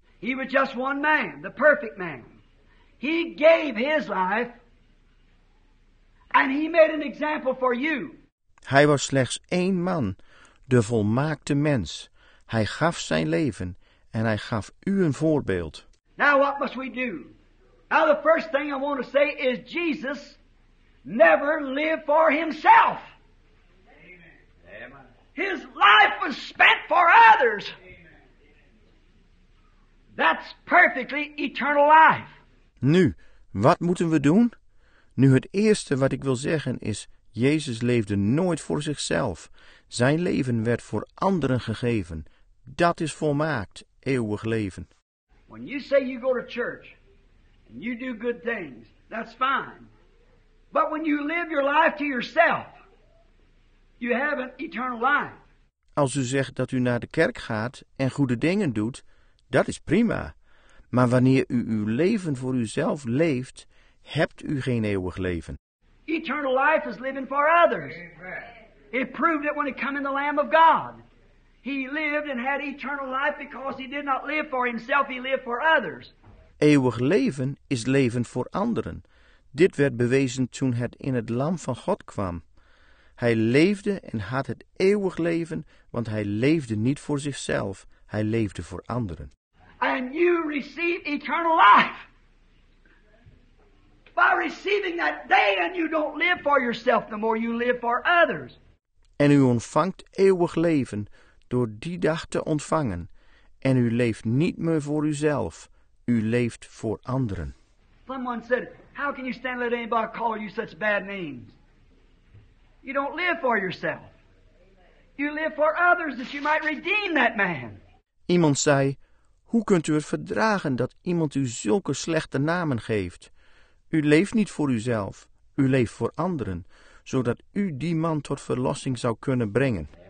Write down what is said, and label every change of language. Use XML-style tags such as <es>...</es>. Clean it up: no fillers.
<en>He was just one man, the perfect man. He gave his life and he made an example for you.</en> <nl>Hij was slechts één man, de volmaakte mens. Hij gaf zijn leven en hij gaf u een voorbeeld.</nl> <en>Now what must we do? Now the first thing I want to say is Jesus never lived for himself. Amen. His life was spent for others. Amen. That's perfectly eternal life.</en> <nl>Nu, wat moeten we doen? Nu, het eerste wat ik wil zeggen is, Jezus leefde nooit voor zichzelf. Zijn leven werd voor anderen gegeven. Dat is volmaakt, eeuwig leven.</nl> <en>When you say you go to church, and you do good things. That's fine. But when you live your life to yourself, you have an eternal life.</en> <nl>Als u zegt dat u naar de kerk gaat en goede dingen doet, dat is prima. Maar wanneer u uw leven voor uzelf leeft, hebt u geen eeuwig leven.</nl> <en>Eternal life is living for others. Amen. It proved it when he came in the Lamb of God. He lived and had eternal life because he did not live for himself, he lived for others.</en> <nl>Eeuwig leven is leven voor anderen. Dit werd bewezen toen het in het Lam van God kwam. Hij leefde en had het eeuwig leven, want hij leefde niet voor zichzelf, hij leefde voor anderen.</nl> <en>And you receive eternal life by receiving that day, and you don't live for yourself no more, you live for others.</en> <nl>En u ontvangt eeuwig leven door die dag te ontvangen, en u leeft niet meer voor uzelf, u leeft voor anderen.</nl> <en>Someone said, how can you stand let anybody call you such bad names? You don't live for yourself. You live for others that you might redeem that man.</en> <nl>Iemand zei, hoe kunt u het verdragen dat iemand u zulke slechte namen geeft? U leeft niet voor uzelf, u leeft voor anderen, zodat u die man tot verlossing zou kunnen brengen.</nl>